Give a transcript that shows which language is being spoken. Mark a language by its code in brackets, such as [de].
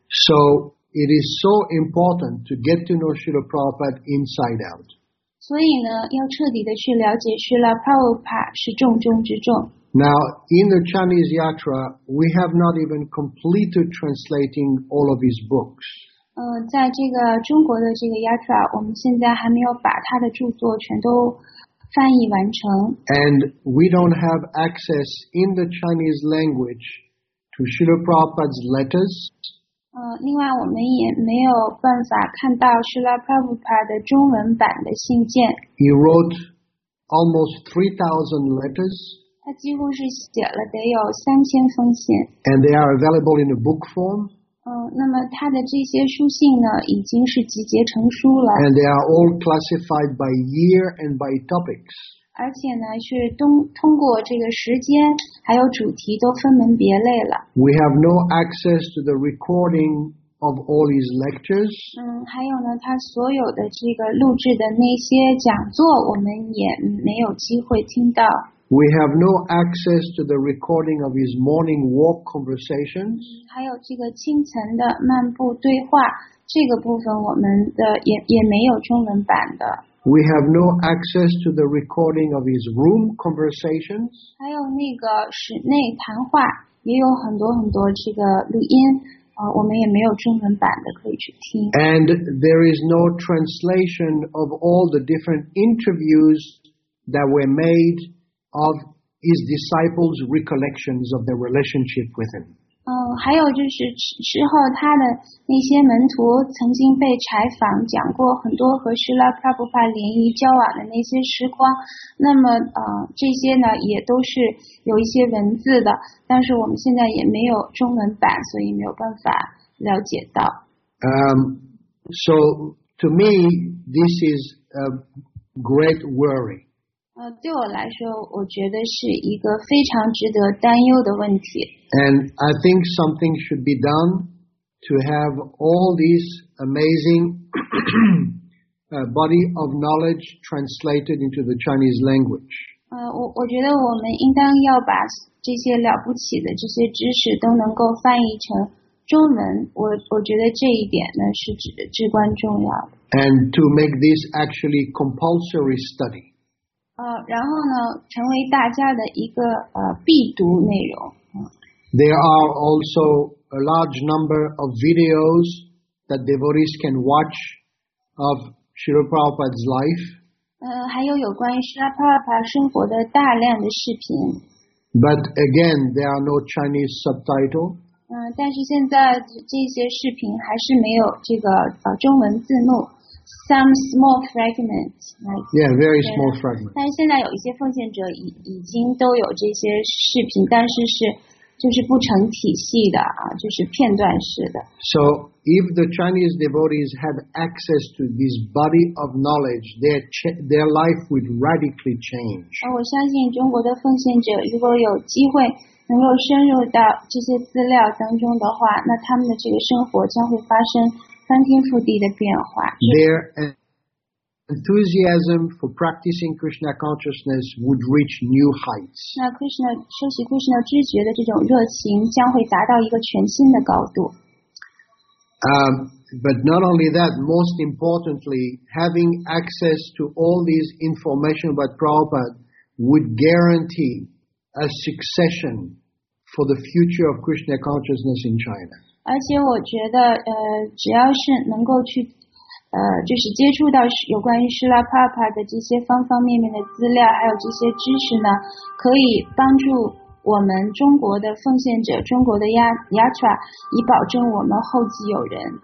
[en] So it is so important to get to know Srila Prabhupada inside out. [zh] 所以呢要彻底的去了解 Srila Prabhupada 是重中之重。 [en] Now, in the Chinese Yatra, we have not even completed translating all of his books. [zh] 在这个中国的这个 Yatra, 我们现在还没有把他的著作全都翻译完成。 [en] And we don't have access in the Chinese language to Srila Prabhupada's letters. [zh] 另外我们也没有办法看到 Srila Prabhupada 的中文版的信件。 [en] He wrote almost 3,000 letters. [zh] 他几乎是写了得有3000封信。 [en] And they are available in a book form. [zh] 那么他的这些书信呢已经是集结成书了。 [en] And they are all classified by year and by topics. [zh] 而且呢是通过这个时间还有主题都分门别类了。 [en] We have no access to the recording of all his lectures. [zh] 还有呢他所有的这个录制的那些讲座我们也没有机会听到。 [en] We have no access to the recording of his morning walk conversations. [zh] 还有这个清晨的漫步对话，这个部分我们的也没有中文版的。 [en] We have no access to the recording of his room conversations. [zh] 还有那个室内谈话，也有很多很多这个录音，我们也没有中文版的可以去听。 [en] And there is no translation of all the different interviews that were made. Of his disciples' recollections of their relationship with him. [zh] 还有就是之后他的那些门徒曾经被采访，讲过很多和施拉帕布帕联谊交往的那些时光。那么，这些呢也都是有一些文字的，但是我们现在也没有中文版，所以没有办法了解到。 [en] So to me, this is a great worry. [zh] 对我来说我觉得是一个非常值得担忧的问题。 [en] And I think something should be done to have all these amazing body of knowledge translated into the Chinese language. [zh] 我觉得我们应当要把这些了不起的这些知识都能够翻译成中文。我觉得这一点呢是至关重要的。 [en] And to make this actually compulsory study. [zh] 然后呢成为大家的一个必读内容。 [en] There are also a large number of videos that devotees can watch of Srila Prabhupada's life. [zh] 还有关于 Srila Prabhupada 生活的大量的视频。 [en] But again, there are no Chinese subtitles. [zh] 但是现在这些视频还是没有这个中文字幕。 [en] Some small fragments, like, yeah, very small fragments. [zh] 但是现在有一些奉献者已经都有这些视频，但是是就是不成体系的啊，就是片段式的。 [en] So if the Chinese devotees had access to this body of knowledge, their life would radically change. [zh] 我相信中国的奉献者如果有机会能够深入到这些资料当中的话，那他们的这个生活将会发生翻天覆地的变化。 [en] Their enthusiasm for practicing Krishna consciousness would reach new heights. [zh] 那 Krishna 修习 Krishna 知觉的这种热情将会达到一个全新的高度。 [en] But not only that, most importantly, having access to all these information about Prabhupada would guarantee a succession for the future of Krishna consciousness in China. [zh] 而且我觉得，只要是能够去就是接触到有关于施拉帕帕的这些方方面面的资料还有这些知识呢，可以帮助我们中国的奉献者，中国的 Yatra 以保证我们后继有人。